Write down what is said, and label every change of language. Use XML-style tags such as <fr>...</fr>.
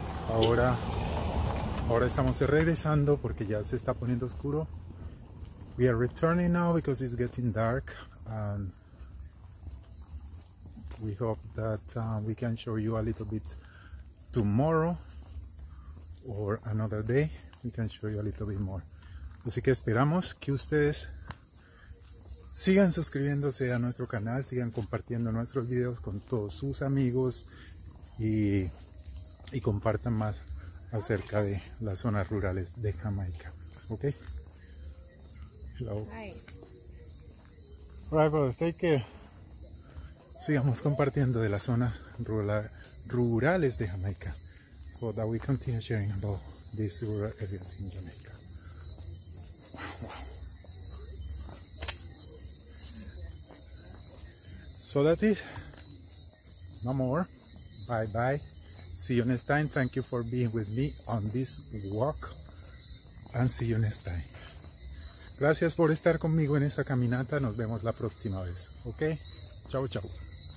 <es>Ahora estamos regresando porque ya se está poniendo oscuro.</es> <en>We are returning now because it's getting dark, and we hope that we can show you a little bit tomorrow or another day. We can show you a little bit more.</en> <es>Así que esperamos que ustedes sigan suscribiéndose a nuestro canal, sigan compartiendo nuestros videos con todos sus amigos y compartan más acerca de las zonas rurales de Jamaica.</es> <en>Ok. Hello. Hi. All right, brother. Take care.</en> <es>Sigamos compartiendo de las zonas rurales de Jamaica,</es> <en>so that we continue sharing about these rural areas in Jamaica. So that is no more. Bye bye. See you next time. Thank you for being with me on this walk, and see you next time.</en> <es>Gracias por estar conmigo en esta caminata. Nos vemos la próxima vez. ¿Ok? Chau, chau.</es>